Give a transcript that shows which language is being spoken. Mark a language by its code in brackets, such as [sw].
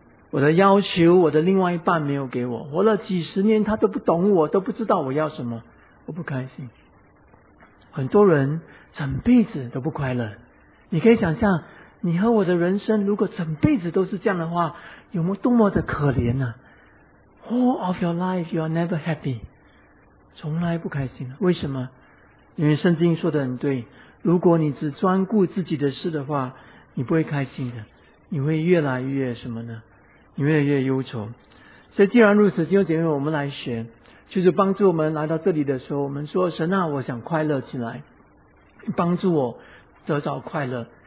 [zh] 我的要求我的另外一半没有给我，活了几十年他都不懂我，都不知道我要什么，我不开心。很多人整辈子都不快乐。你可以想象，你和我的人生如果整辈子都是这样的话，有没有多么的可怜呢？ [en] All of your life you are never happy， [zh] 从来不开心。为什么？因为圣经说的很对，如果你只专顾自己的事的话，你不会开心的，你会越来越什么呢？你越来越忧愁。所以既然如此，弟兄姐妹，我们来学，就是帮助我们来到这里的时候，我们说，神啊，我想快乐起来，帮助我得着快乐。